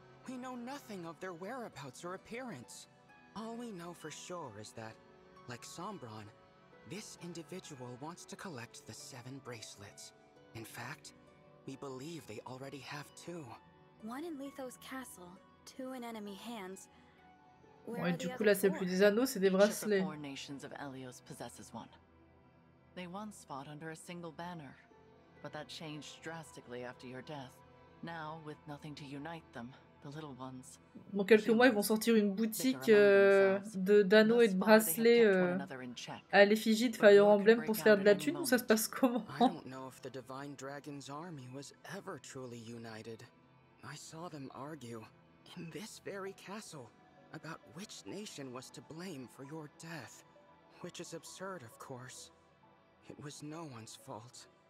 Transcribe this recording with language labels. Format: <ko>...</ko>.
<en>We know nothing of their whereabouts or appearance. All we know for sure is that, like Sombron, this individual wants to collect the seven bracelets. In fact, we believe they already have two. One in Letho's castle, two in enemy hands.</en> <fr>Ouais, du coup là c'est plus des anneaux, c'est des bracelets.</fr> <en>Four nations of Elyos possesses one. They once fought under a single banner, but that changed drastically after your death. Now, with nothing to unite them, the little ones.</en> <fr>Dans quelques mois, ils vont sortir une boutique d'anneaux et de bracelets à l'effigie de Fire Emblem pour se faire de la thune, ou ça se passe comment?</fr> <en>I don't know if the Divine Dragon's army was ever truly united. I saw them argue in this very castle. About which nation was to blame for your death, which is absurd, of course. It was no one's fault.</en>